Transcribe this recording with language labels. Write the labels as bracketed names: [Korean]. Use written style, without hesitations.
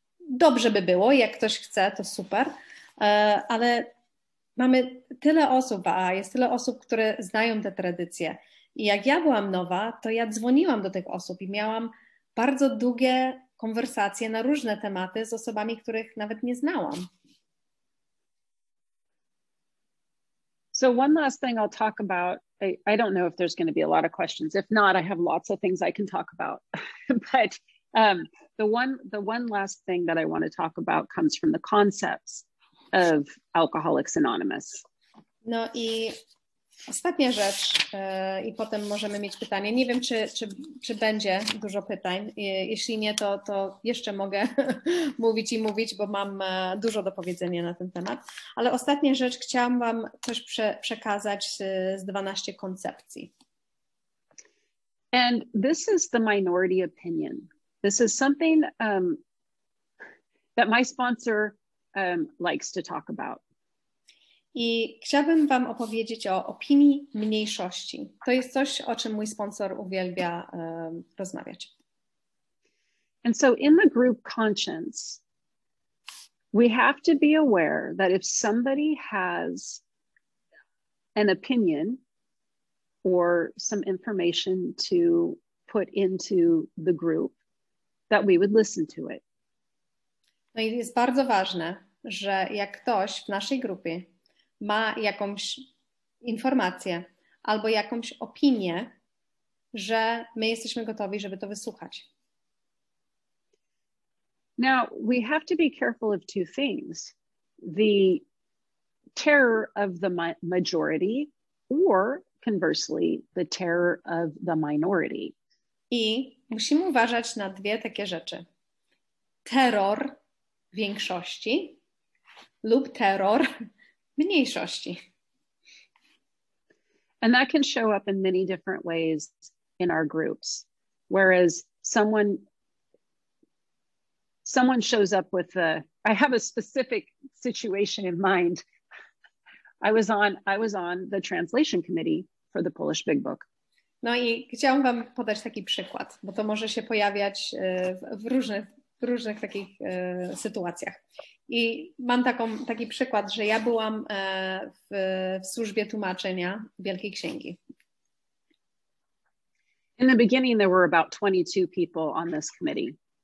[Polish] Dobrze by było, jak ktoś chce, to super, ale mamy tyle osób, a jest tyle osób, które znają te tradycje. I jak ja byłam nowa, to ja dzwoniłam do tych osób i miałam bardzo długie konwersacje na różne tematy z osobami, których nawet nie znałam. [English] So one last thing I'll talk about. I don't know if there's going to be a lot of questions. If not, I have lots of things I can talk about. But the one last thing that I want to talk about comes from the concepts of Alcoholics Anonymous. [Polish] No i ostatnia rzecz, i potem możemy mieć pytanie. Nie wiem, czy będzie dużo pytań. Jeśli nie, to jeszcze mogę mówić, bo mam dużo do powiedzenia na ten temat. Ale ostatnia rzecz, chciałam wam coś przekazać z 12 koncepcji. [English] And this is the minority opinion. This is something that my sponsor likes to talk about. [Polish] I chciałabym wam opowiedzieć o opinii mniejszości. To jest coś, o czym mój sponsor uwielbia rozmawiać. [English] And so in the group conscience, we have to be aware that if somebody has an opinion or some information to put into the group, that we would listen to it. [Polish] No i jest bardzo ważne, że jak ktoś w naszej grupie ma jakąś informację albo jakąś opinię, że my jesteśmy gotowi, żeby to wysłuchać. [English] Now, we have to be careful of two things. The terror of the majority or, conversely, the terror of the minority. [Polish] I musimy uważać na dwie takie rzeczy. Terror większości lub terror mniejszości. [English] And that can show up in many different ways in our groups. Whereas someone shows up with I have a specific situation in mind. I was on the translation committee for the Polish Big Book. [Polish] No i chciałam wam podać taki przykład, bo to może się pojawiać w różnych takich sytuacjach. I mam taki przykład, że ja byłam w służbie tłumaczenia Wielkiej Księgi. [English] In the beginning there were about 22 people on this committee.